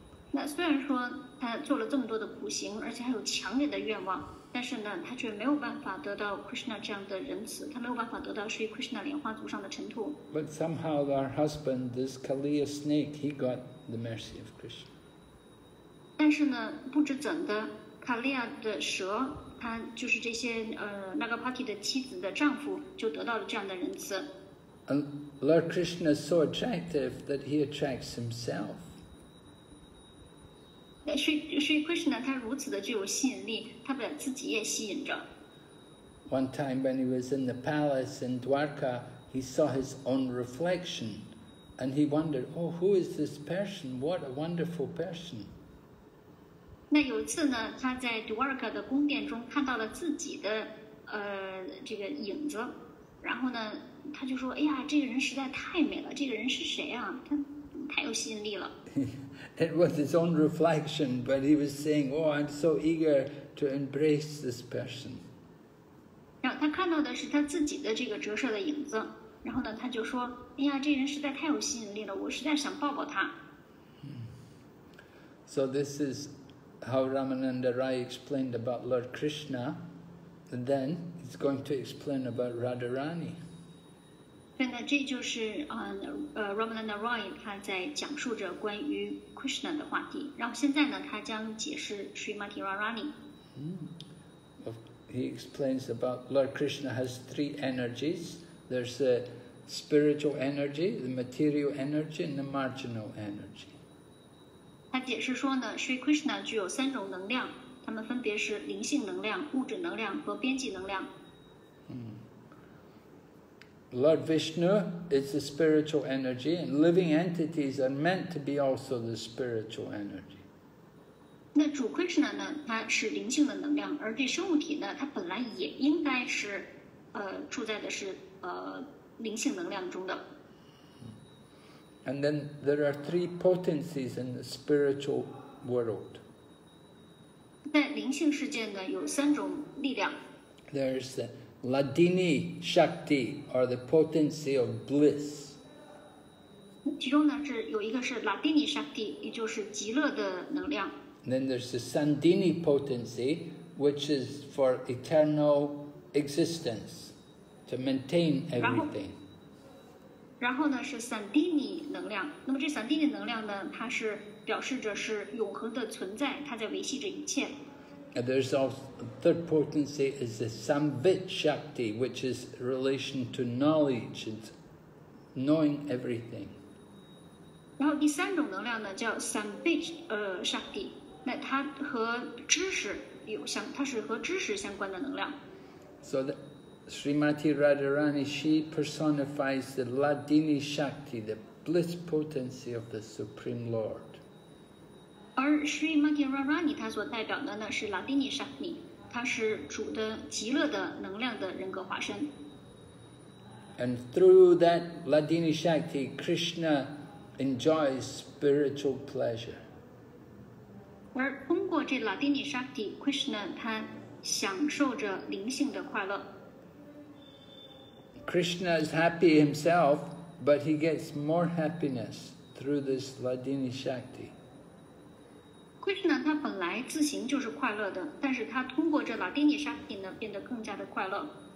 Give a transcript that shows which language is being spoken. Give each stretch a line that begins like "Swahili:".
Chinese: 那虽然说她做了这么多的苦行，而且还有强烈的愿望，但是呢，她却没有办法得到 Krishna 这样的仁慈，她没有办法得到 Sri Krishna 莲花足上的尘土。
English: But somehow our husband, this Kaliya snake, he got the mercy of Krishna.
Chinese: 但是呢，不知怎的。卡利亚的蛇，他就是这些那个 party 的妻子的丈夫，就得到了这样的仁慈。
English: And Lord Krishna is so attractive that he attracts himself.
Chinese: Sri Krishna 他如此的具有吸引力，他把自己也吸引着。
English: One time when he was in the palace in Dwarka, he saw his own reflection, and he wondered, "Oh, who is this person? What a wonderful person!"
Chinese: 那有一次呢，他在 Dwarka 的宫殿中看到了自己的这个影子，然后呢，他就说：“哎呀，这个人实在太美了，这个人是谁啊？他太有吸引力了。”
English: It was his own reflection, but he was saying, "Oh, I'm so eager to embrace this person."
Chinese: 然后他看到的是他自己的这个折射的影子，然后呢，他就说：“哎呀，这个人实在太有吸引力了，我实在想抱抱他。”
English: So this is. How Ramananda Rai explained about Lord Krishna, and then he's going to explain about Radharani. So, this is Ramananda Rai. He's talking about Krishna. Now, he's going to explain Srimati Radharani. He explains about Lord Krishna has three energies. There's the spiritual energy, the material energy, and the marginal energy.
Chinese: 他解释说呢 ，Sri Krishna 具有三种能量，它们分别是灵性能量、物质能量和边际能量。
English: Lord Vishnu is the spiritual energy, and living entities are meant to be also the spiritual energy.
Chinese: 那主 Krishna 呢？它是灵性的能量，而这生物体呢？它本来也应该是，处在的是灵性能量中的。
English: And then there are three potencies in the spiritual world.
Chinese: 在灵性世界呢，有三种力量。
English: There's the Ladini Shakti, or the potency of bliss.
Chinese: 其中呢是有一个是 Ladini Shakti， 也就是极乐的能量。
English: Then there's the Sandini potency, which is for eternal existence, to maintain everything.
Chinese: 然后呢是 Sandini 能量。那么这 Sandini 能量呢，它是表示着是永恒的存在，它在维系着一切。
English: And there's also the third potency is the Samvit Shakti, which is relation to knowledge, it's knowing everything.
Chinese: 然后第三种能量呢叫 Samvit Shakti。那它和知识有相，它是和知识相关的能量。
English: So the Srimati Radharani, she personifies the Ladini Shakti, the bliss potency of the Supreme Lord.
Chinese: 而 Srimati Radharani 她所代表的呢是 Ladini Shakti， 她是主的极乐的能量的人格化身。
English: And through that Ladini Shakti, Krishna enjoys spiritual pleasure.
Chinese: 而通过这拉丁尼沙帝 Krishna 他享受着灵性的快乐。
English: Krishna is happy himself, but he gets more happiness through this Ladini Shakti.
Chinese: Krishna 他本来自行就是快乐的，但是他通过这拉丁尼沙帝呢变得更加的快乐。